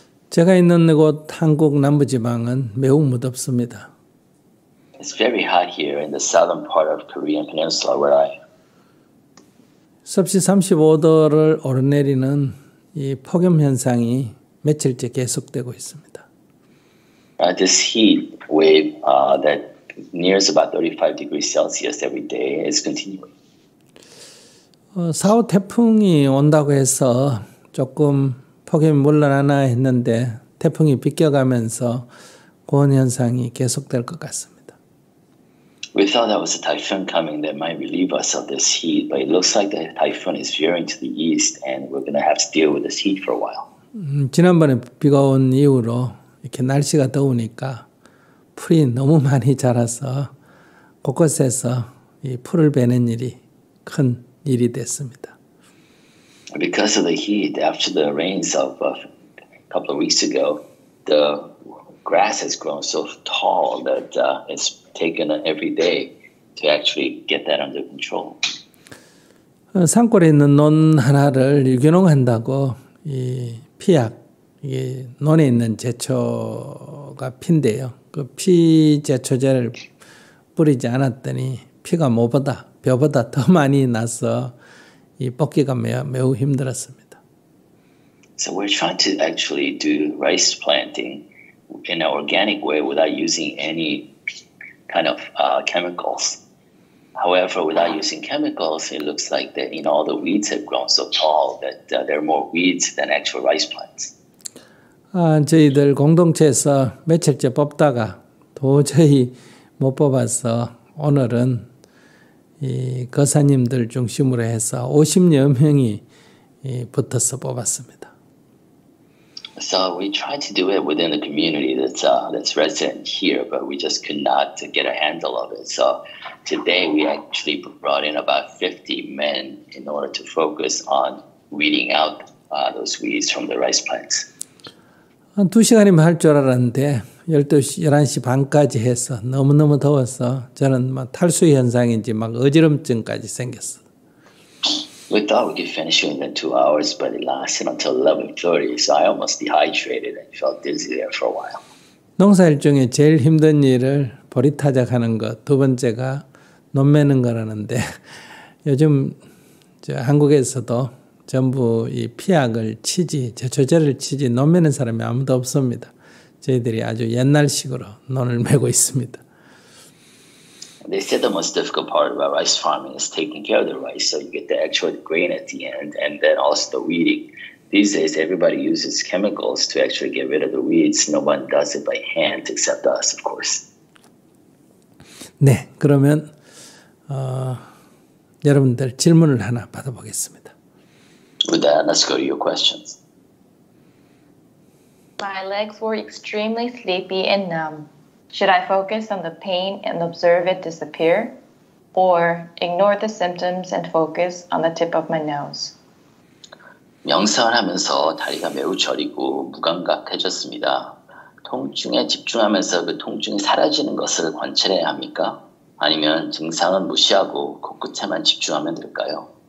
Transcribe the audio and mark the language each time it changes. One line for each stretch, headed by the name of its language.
Korean: 제가 있는 곳 한국 남부 지방은 매우 무덥습니다.
English: It's very hot here in the southern part of Korean Peninsula where I am.
Korean: 섭씨 35도를 오르내리는 이 폭염 현상이 며칠째 계속되고 있습니다.
English: This heat wave that nears about 35 degrees Celsius every day is continuing.
Korean: 4호 태풍이 온다고 해서 조금 폭염이 물러나나 했는데 태풍이 비껴가면서 고온 현상이 계속될 것 같습니다.
English: We thought that was a typhoon coming that might relieve us of this heat, but it looks like the typhoon is veering to the east and we're going to have to deal with this heat for a while.
Korean: 지난번에 비가 온 이후로 이렇게 날씨가 더우니까 풀이 너무 많이 자라서 곳곳에서 이 풀을 베는 일이 큰 일이 됐습니다.
English: Because of the heat, after the rains of a couple of weeks ago, the grass has grown so tall that it's taken every day to actually get that under control.
Korean: 산골에 있는 논 하나를 유기농한다고 이 피약, 이게 논에 있는 제초가 핀데요. 그 피 제초제를 뿌리지 않았더니 피가 뭐보다 벼보다 더 많이 나서 이 뽑기가 매우 힘들었습니다.
English: So we're trying to actually do rice planting in an organic way without using any kind of chemicals. However, without using chemicals, it looks like that in all the weeds have grown so tall that there are more weeds than actual rice plants.
Korean: 저희들 공동체에서 며칠째 뽑다가 도저히 못 뽑아서 오늘은 이 거사님들 중심으로 해서 50여 명이 붙어서 뽑았습니다.
English: So we tried to do it within the community that's resident here, but we just could not get a handle of it. So today we actually brought in about 50 men in order to focus on weeding out those weeds from the rice plants.
Korean: 한 2시간이면 할 줄 알았는데 11시 반까지 해서 너무너무 더워서 저는 막 탈수 현상인지 막 어지럼증까지 생겼어.
English: We thought we could finish in 2 hours, but it lasted until 11:30, so I almost dehydrated and felt dizzy there for a while.
Korean: 농사 일종의 제일 힘든 일을 보리타작 하는 것, 두 번째가 논 매는 거라는데 요즘 저 한국에서도 전부 이 피약을 치지, 제초제를 치지 논 매는 사람이 아무도 없습니다. 저희들이 아주 옛날식으로 논을 메고 있습니다.
English: They said the most difficult part about rice farming is taking care of the rice, so you get the actual grain at the end, and then also the weeding. These days, everybody uses chemicals to actually get rid of the weeds. No one does it by hand, except us, of course.
Korean: 네, 그러면 여러분들 질문을 하나 받아보겠습니다.
English: With that, let's go to your questions. My legs were extremely sleepy and numb. Should I focus on the pain and observe it disappear? Or ignore the symptoms and focus on the tip of my nose?
Korean: 명상을 하면서 다리가 매우 저리고 무감각해졌습니다. 통증에 집중하면서 그 통증이 사라지는 것을 관찰해야 합니까? 아니면 증상은 무시하고 코끝에만 집중하면 될까요?